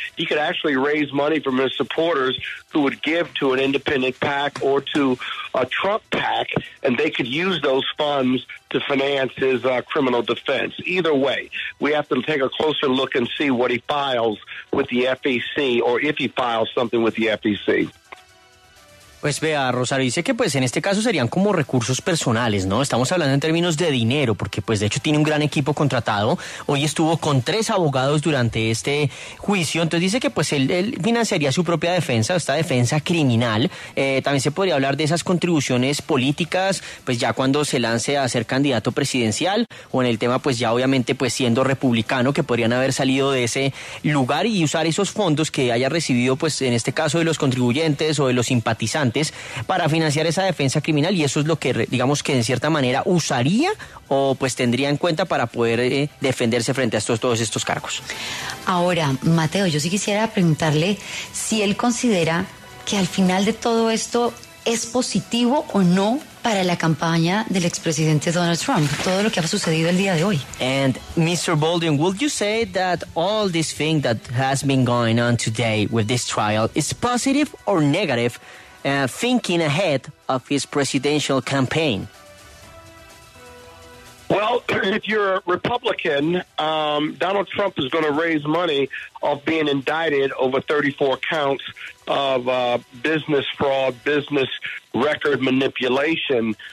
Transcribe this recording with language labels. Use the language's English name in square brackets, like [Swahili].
[English] He could actually raise money from his supporters who would give to an independent PAC or to a Trump PAC, and they could use those funds to finance his criminal defense. Either way, we have to take a closer look and see what he files with the FEC or if he files something with the FEC. [Spanish] Pues vea, Rosario, dice que pues en este caso serían como recursos personales, ¿no? Estamos hablando en términos de dinero, porque pues de hecho tiene un gran equipo contratado. Hoy estuvo con tres abogados durante este juicio. Entonces dice que pues él financiaría su propia defensa, esta defensa criminal. También se podría hablar de esas contribuciones políticas, pues ya cuando se lance a ser candidato presidencial, o en el tema pues ya obviamente pues siendo republicano, que podrían haber salido de ese lugar y usar esos fondos que haya recibido pues en este caso de los contribuyentes o de los simpatizantes antes para financiar esa defensa criminal, y eso es lo que digamos que en cierta manera usaría o pues tendría en cuenta para poder defenderse frente a todos estos cargos. Ahora, Mateo, yo sí quisiera preguntarle si él considera que al final de todo esto es positivo o no para la campaña del expresidente Donald Trump, todo lo que ha sucedido el día de hoy. [English] And Mr. Bolden, would you say that all this thing that has been going on today with this trial is positive or negative? Thinking ahead of his presidential campaign. Well, if you're a Republican, Donald Trump is going to raise money off being indicted over 34 counts of business fraud, business record manipulation.